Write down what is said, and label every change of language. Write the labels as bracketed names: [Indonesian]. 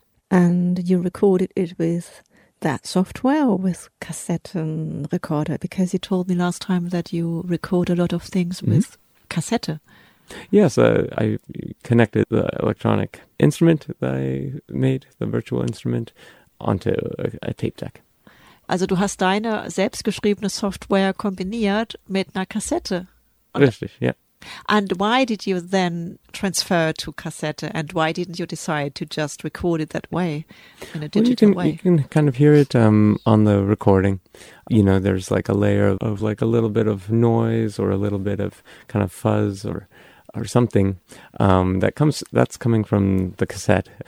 [English] And you recorded it with that software or with cassette and recorder? Because you told me last time that you record a lot of things with cassette. Yes, I connected the electronic instrument that I made, the virtual instrument, onto a tape deck. [German] Also du hast deine selbstgeschriebene Software kombiniert mit einer Kassette. Und richtig, ja. [English] And why did you then transfer to cassette and why didn't you decide to just record it that way, in a digital way? You can kind of hear it on the recording. You know, there's like a layer of like a little bit of noise or a little bit of kind of fuzz or something that's coming from the cassette.